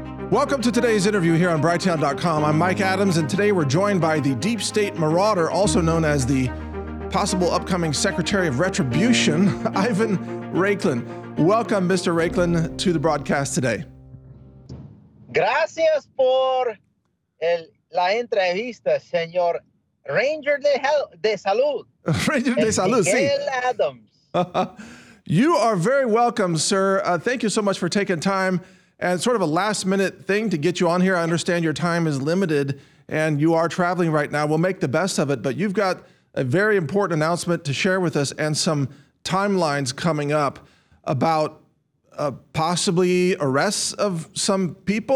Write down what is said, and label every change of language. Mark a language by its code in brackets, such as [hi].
[en] Welcome to today's interview here on Brighttown.com. I'm Mike Adams, and today we're joined by the Deep State Marauder, also known as the possible upcoming Secretary of Retribution, Ivan Raiklin. Welcome, Mr. Raiklin, to the broadcast today. [es] Gracias por la entrevista, señor Ranger de Salud. Ranger de Salud, sí. Miguel Adams. [en] You are very welcome, sir. Thank you so much for taking time. And sort of a last-minute thing to get you on here. I understand your time is limited, and you are traveling right now. We'll make the best of it. But you've got a very important announcement to share with us and some timelines coming up about possibly arrests of some people.